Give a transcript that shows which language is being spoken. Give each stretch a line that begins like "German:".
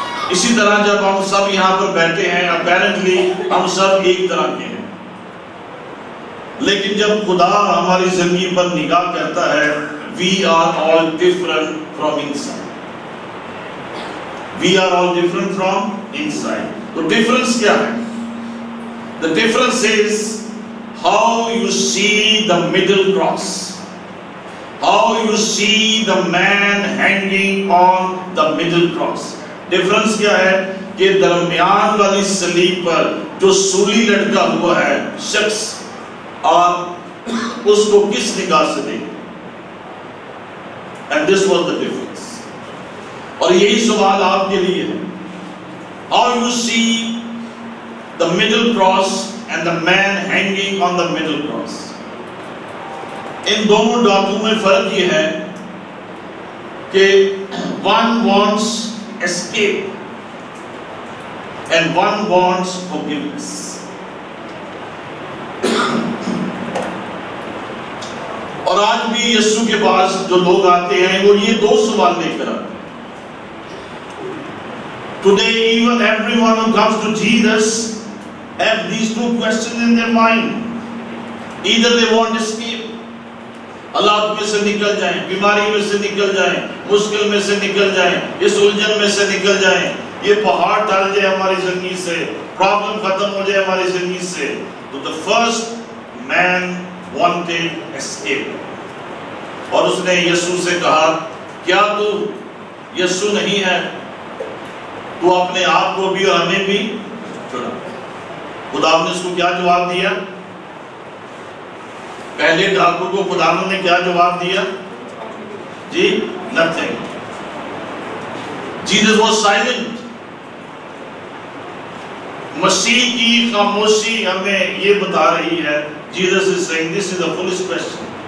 Urdu: اسی طرح جب ہم سب یہاں پر بیٹھے ہیں اپیرنٹلی ہم سب ایک طرح کے ہیں، لیکن جب خدا ہماری زمین پر نگاہ کرتا ہے
English: We are all different from inside, we are all different from inside.
Urdu: تو ڈیفرنس کیا ہے؟
English: The difference is how you see the middle cross, how you see the man hanging on the middle cross.
Urdu: Difference کیا ہے کہ درمیان والی سلیب پر جو سولی لٹکا ہوا ہے شخص، آپ اس کو کس نگاہ سے دیکھیں؟
English: And this was the difference.
Urdu: اور یہی سوال آپ کے لیے ہے.
English: How you see the middle cross and the man hanging on the middle cross.
Urdu: ان دونوں ڈاکوں میں فرق یہ ہے کہ
English: one wants escape and one wants forgiveness.
Urdu: اور آج بھی یسوع کے پاس جو لوگ آتے ہیں وہ یہ دو سوال لے کر آتے ہیں.
English: Today even everyone who comes to Jesus have these two questions in their mind. Either they want escape,
Urdu: Allah میں سے نکل جائیں, بیماری میں سے نکل جائیں, مشکل میں سے نکل جائیں, اس الجھن میں سے نکل جائیں, یہ پہاڑ ٹل جائے ہماری زندگی سے, پرابلم ختم ہو جائے ہماری زندگی سے.
English: تو the first man wanted escape.
Urdu: اور اس نے یسوع سے کہا, کیا تو یسوع نہیں ہے, تو اپنے آپ کو بھی اور ہمیں بھی چھڑا. خدا نے اس کو کیا جواب دیا؟ پہلے ڈاکو کو خدا نے کیا جواب دیا؟ جی nothing.
English: Jesus was silent.
Urdu: مسیح کی خاموشی ہمیں یہ بتا رہی ہے.
English: Jesus is saying this is the foolish question.